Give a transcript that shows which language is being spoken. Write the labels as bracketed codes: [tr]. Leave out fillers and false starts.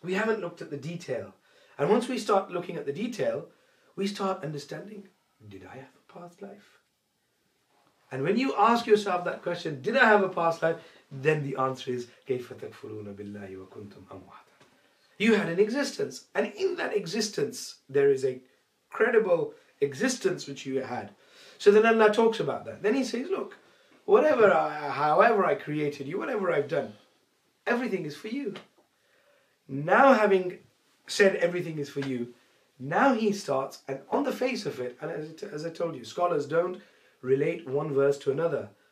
[en] We haven't looked at the detail. And once we start looking at the detail, we start understanding, did I have a past life? And when you ask yourself that question, did I have a past life? Then the answer is, [ar] كَيْفَ تَكْفُرُونَ بِاللَّهِ وَكُنْتُمْ أَمْوَاتًا. [en] You had an existence. And in that existence, there is a credible existence which you had. So then Allah talks about that. Then he says, look, however I created you, whatever I've done, everything is for you. Now having said everything is for you, now he starts, and on the face of it, and as I told you, scholars don't relate one verse to another.